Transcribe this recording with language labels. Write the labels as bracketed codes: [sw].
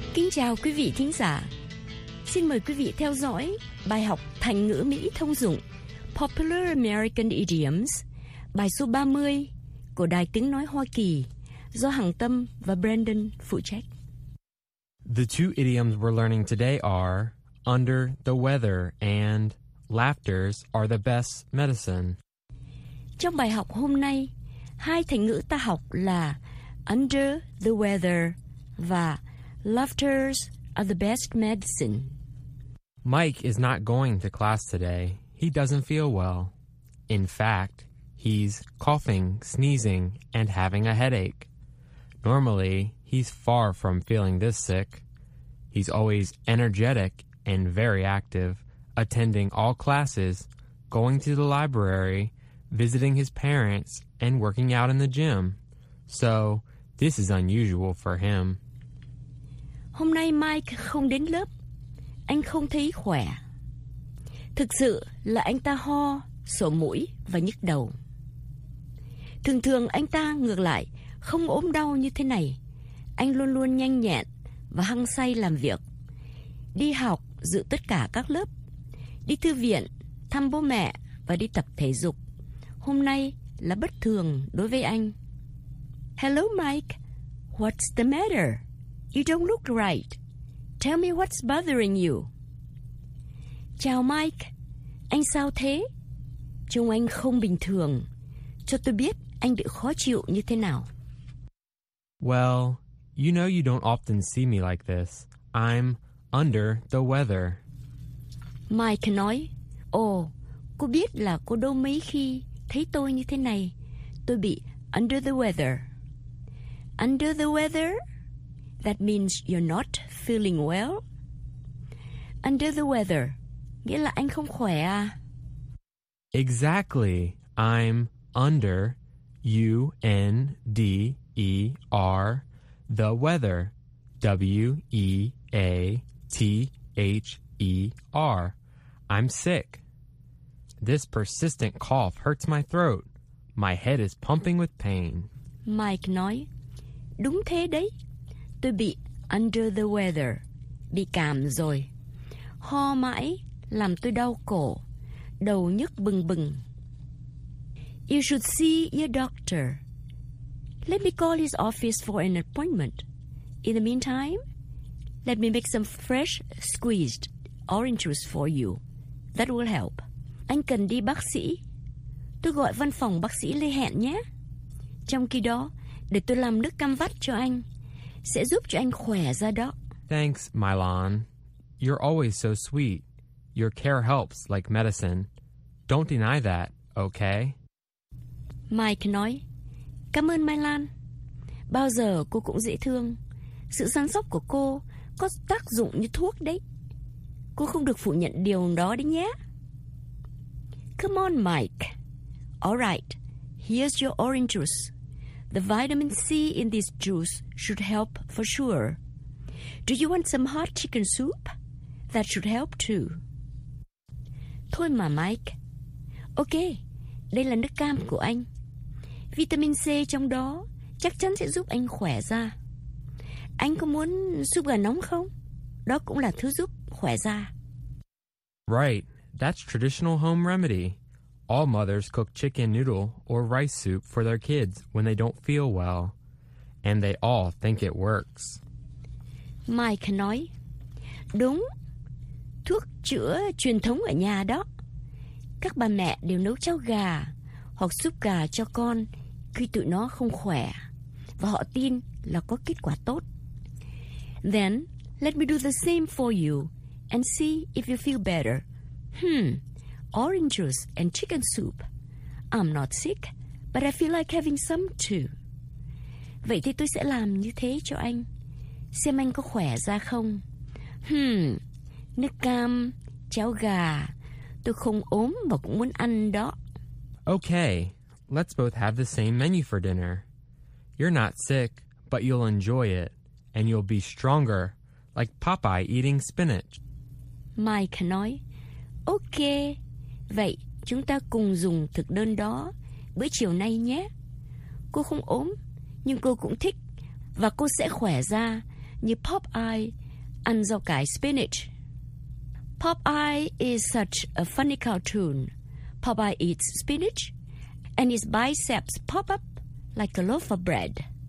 [vi] Chào quý vị thính giả. Xin mời quý vị theo dõi bài học thành ngữ Mỹ thông dụng Popular American Idioms, bài số 30 của Đài Tiếng Nói Hoa Kỳ do Hằng Tâm và Brandon phụ trách. [en] The two idioms we're learning today are under the weather and laughters are the best medicine. [vi] Trong bài học hôm nay, hai thành ngữ ta học là under the weather và laughters are the best medicine. [en] Mike is not going to class today. He doesn't feel well. In fact, he's coughing, sneezing, and having a headache. Normally, he's far from feeling this sick. He's always energetic and very active, attending all classes, going to the library, visiting his parents, and working out in the gym. So, this is unusual for him. [vi] Hôm nay Mike không đến lớp. Anh không thấy khỏe. Thực sự là anh ta ho, sổ mũi và nhức đầu. Thường thường anh ta ngược lại không ốm đau như thế này. Anh luôn luôn nhanh nhẹn và hăng say làm việc. Đi học, dự tất cả các lớp. Đi thư viện, thăm bố mẹ và đi tập thể dục. Hôm nay là bất thường đối với anh. [en] Hello Mike, what's the matter? You don't look right. Tell me what's bothering you. [vi] Chào Mike. Anh sao thế? Trông anh không bình thường. Cho tôi biết anh bị khó chịu như thế nào. [en] Well, you know you don't often see me like this. I'm under the weather. [vi] Mike nói, ồ, cô biết là cô đâu mấy khi thấy tôi như thế này. Tôi bị under the weather. Under the weather? [en] That means you're not feeling well. Under the weather, [vi] nghĩa là anh không khỏe à? [en] Exactly. I'm under, U-N-D-E-R, the weather, W-E-A-T-H-E-R. I'm sick. This persistent cough hurts my throat. My head is pumping with pain. [vi] Mike nói, đúng thế đấy. Tôi bị under the weather, bị cảm rồi. Ho mãi làm tôi đau cổ, đầu nhức bừng bừng. [en] You should see your doctor. Let me call his office for an appointment. In the meantime, let me make some fresh squeezed orange juice for you. That will help. [vi] Anh cần đi bác sĩ. Tôi gọi văn phòng bác sĩ Lê Hẹn nhé. Trong khi đó, để tôi làm nước cam vắt cho anh. Sẽ giúp cho anh khỏe ra đó. [en] Thanks, Mylon. You're always so sweet. Your care helps like medicine. Don't deny that, okay? [vi] Mike nói, cảm ơn Mylon. Bao giờ cô cũng dễ thương. Sự săn sóc của cô có tác dụng như thuốc đấy. Cô không được phủ nhận điều đó đấy nhé. [en] Come on, Mike. All right, Here's your orange juice. The vitamin C in this juice should help for sure. Do you want some hot chicken soup? That should help too. [vi] Thôi mà Mike. Ok, đây là nước cam của anh. Vitamin C trong đó chắc chắn sẽ giúp anh khỏe da. Anh có muốn súp gà nóng không? Đó cũng là thứ giúp khỏe da. [en] Right, that's traditional home remedy. All mothers cook chicken noodle or rice soup for their kids when they don't feel well. And they all think it works. [vi] Mike nói, đúng, thuốc chữa truyền thống ở nhà đó. Các bà mẹ đều nấu cháo gà hoặc súp gà cho con khi tụi nó không khỏe. Và họ tin là có kết quả tốt. [en] Then, let me do the same for you and see if you feel better. Orange juice and chicken soup. I'm not sick, but I feel like having some too. [vi] Vậy thì tôi sẽ làm như thế cho anh. Xem anh có khỏe ra không. Nước cam, cháo gà. Tôi không ốm mà cũng muốn ăn đó. [en] Okay, let's both have the same menu for dinner. You're not sick, but you'll enjoy it. And you'll be stronger, like Popeye eating spinach. [vi] Mike nói, okay. Vậy, chúng ta cùng dùng thực đơn đó bữa chiều nay nhé. Cô không ốm, nhưng cô cũng thích. Và cô sẽ khỏe ra như Popeye ăn rau cải spinach. [en] Popeye is such a funny cartoon. Popeye eats spinach, and his biceps pop up like a loaf of bread.